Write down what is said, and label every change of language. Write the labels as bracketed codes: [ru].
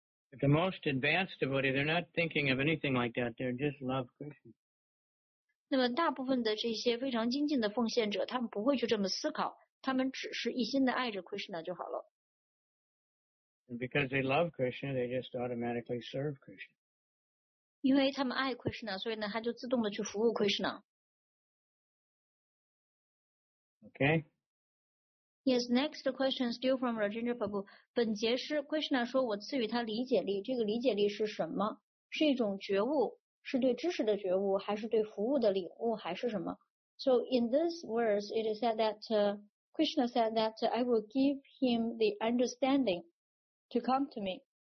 [en] The most advanced devotee, they're not thinking of anything like that. They're just love Krishna. [zh] 那么大部分的这些非常精进的奉献者，他们不会去这么思考，他们只是一心的爱着 Krishna 就好了。 [en] And because they love Krishna, they just automatically serve Krishna. [zh] 因为他们爱 Krishna, 所以呢，他就自动的去服务 Krishna. [en] Okay. Yes, next question still from Rajendra Prabhu. [zh] 本节师 Krishna 说我赐予他理解力，这个理解力是什么？是一种觉悟。是对知识的觉悟，还是对服务的领悟，还是什么？ [en] So in this verse, it is said that Krishna said that I will give him the understanding to come to me.